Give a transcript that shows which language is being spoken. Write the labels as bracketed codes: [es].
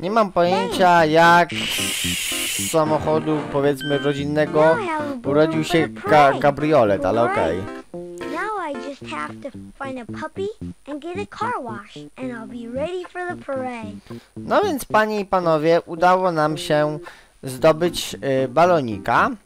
[pl] Nie mam pojęcia, jak z samochodu, powiedzmy, rodzinnego urodził się kabriolet, ale okej. [en] Have to find a puppy and get a car wash and I'll be ready for the parade. [pl] No więc panie i panowie, udało nam się zdobyć balonika.